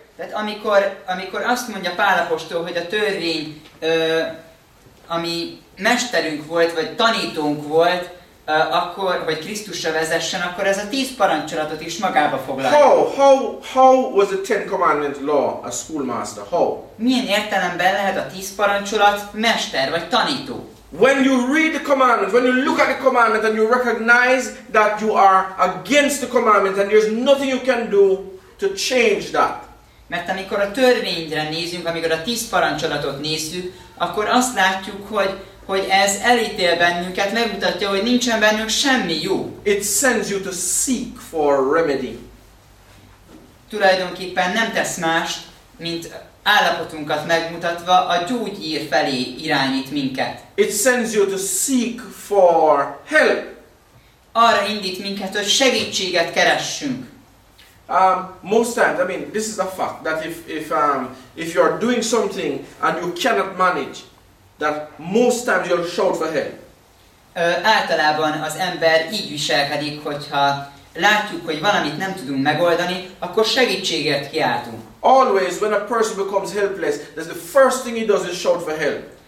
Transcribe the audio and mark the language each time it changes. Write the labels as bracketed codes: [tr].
[hu] Tehát amikor azt mondja Pál apostol, hogy a törvény, ami mesterünk volt, vagy tanítónk volt, akkor, vagy Krisztusra vezessen, akkor ez a tíz parancsolatot is magába foglalja. [en] How was the Ten Commandment law a schoolmaster? How? [hu] Milyen értelemben lehet a tíz parancsolat mester, vagy tanító? [en] When you read the commandment, when you look at the commandment and you recognize that you are against the commandment and there's nothing you can do to change that. [hu] Mert amikor a törvényre nézünk, amikor a tíz parancsolatot nézzük, akkor azt látjuk, hogy ez elítél bennünket, megmutatja, hogy nincsen bennünk semmi jó. [en] It sends you to seek for remedy. [hu] Tulajdonképpen nem tesz mást, mint állapotunkat megmutatva, a gyógyír felé irányít minket. [en] It sends you to seek for help. [hu] Arra indít minket, hogy segítséget keressünk. [en] Most times, I mean, this is a fact, that if you are doing something and you cannot manage, that most times you'll shout for help. [hu] Általában az ember így viselkedik, hogyha látjuk, hogy valamit nem tudunk megoldani, akkor segítségért kiáltunk. [en] Always, when a person becomes helpless, that's the first thing he does is shout for help.